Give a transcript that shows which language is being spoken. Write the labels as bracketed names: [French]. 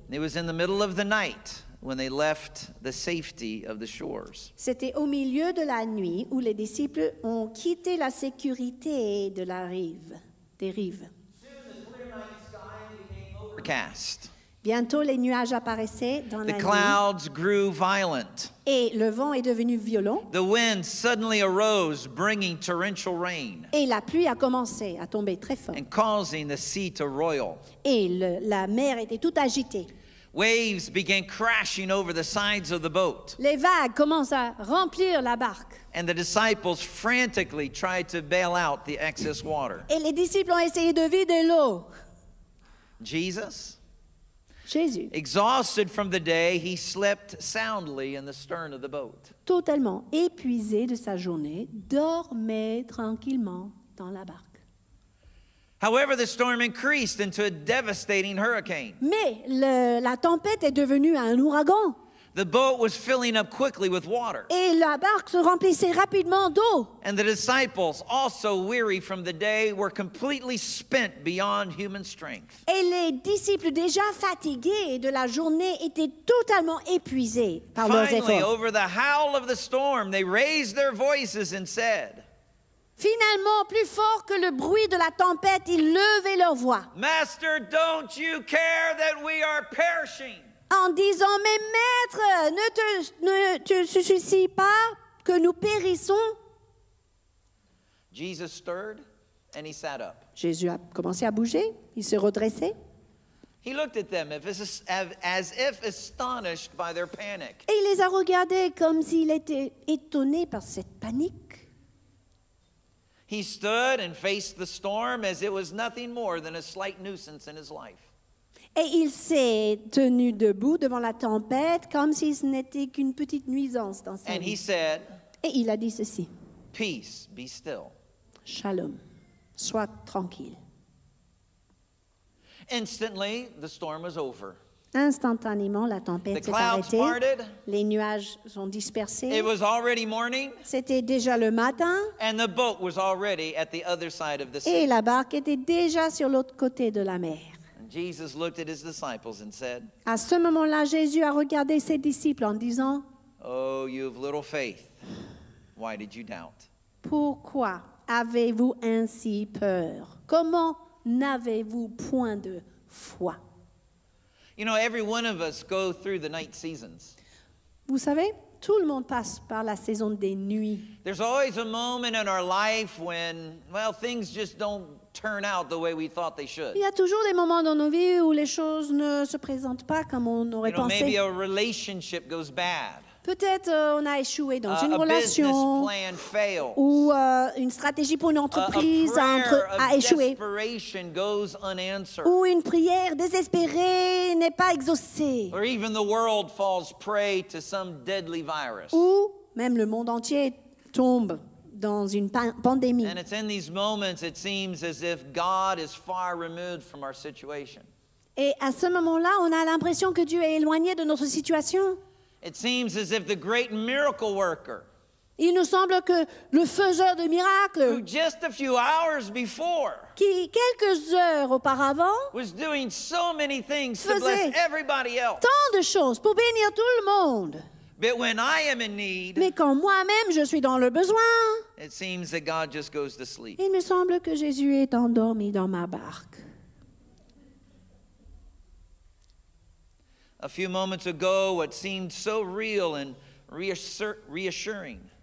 [English] It was in the middle of the night when they left the safety of the shores. [French] C'était au milieu de la nuit où les disciples ont quitté la sécurité de la rive. Bientôt les nuages apparaissaient dans la nuit. [English] The clouds grew violent. [French] Et le vent est devenu violent. [English] The wind suddenly arose, bringing torrential rain. [French] Et la pluie a commencé à tomber très fort. [English] And causing the sea to roil. [French] Et la mer était toute agitée. [English] Waves began crashing over the sides of the boat. [French] Les vagues commencent à remplir la barque. [English] And the disciples frantically tried to bail out the excess water. [French] Et les disciples ont essayé de vider l'eau. Jésus. [English] Exhausted from the day, he slept soundly in the stern of the boat. [French] Totalement épuisé de sa journée, dormait tranquillement dans la barque. [English] However, the storm increased into a devastating hurricane. [French] Mais la tempête est devenue un ouragan. [English] The boat was filling up quickly with water. [French] Et la barque se remplissait rapidement d'eau. [English] And the disciples, also weary from the day, were completely spent beyond human strength. [French] Et les disciples déjà fatigués de la journée étaient totalement épuisés par leurs efforts. [English] Finally, over the howl of the storm, they raised their voices and said, [French] finalement, plus fort que le bruit de la tempête, ils levaient leur voix. [English] Master, don't you care that we are perishing? [French] En disant, mais maître, ne te soucie pas que nous périssons. [English] Jesus stirred and he sat up. [French] Jésus a commencé à bouger, il se redressait. [English] He looked at them as if astonished by their panic. [French] Et il les a regardés comme s'il était étonné par cette panique. [English] He stood and faced the storm as it was nothing more than a slight nuisance in his life. [French] Et il s'est tenu debout devant la tempête comme si ce n'était qu'une petite nuisance dans sa [English] and [French] vie. [English] He said, [French] et il a dit ceci. [English] Peace, be still. [French] Shalom, sois tranquille. [English] Instantly, the storm was over. [French] Instantanément, la tempête s'est arrêtée. [English] Parted. [French] Les nuages sont dispersés. [English] It was already morning. [French] C'était déjà le matin. [English] And the boat was already at the other side of the sea. [French] Et la barque était déjà sur l'autre côté de la mer. [English] And Jesus looked at his disciples and said, [French] à ce moment-là, Jésus a regardé ses disciples en disant, [English] oh, you have little faith. Why did you doubt? [French] Pourquoi avez-vous ainsi peur? Comment n'avez-vous point de foi? [English] You know, every one of us go through the night seasons. [French] Vous savez, tout le monde passe par la saison des nuits. [English] There's always a moment in our life when, well, things just don't turn out the way we thought they should. [French] Il y a toujours des moments dans nos vies où les choses ne se présentent pas comme on aurait pensé. [English] Maybe a relationship goes bad. [French] Peut-être on a échoué dans une relation ou une stratégie pour une entreprise a échoué ou une prière désespérée n'est pas exaucée. [English] Or even the world falls prey to some deadly virus. [French] Ou même le monde entier tombe dans une pandémie. [English] And it's in these moments it seems as if God is far removed from our situation. [French] Et à ce moment-là, on a l'impression que Dieu est éloigné de notre situation. [English] It seems as if the great miracle worker, [French] il nous semble que le faiseur de miracles, [English] who just a few hours before, [French] qui quelques heures auparavant, [English] was doing so many things to bless everybody else, [French] tant de choses pour bénir tout le monde. [English] But when I am in need, [French] mais quand moi-même je suis dans le besoin, [English] it seems that God just goes to sleep. [French] Il me semble que Jésus est endormi dans ma barque. [English] A few moments ago, what seemed so real and reassuring.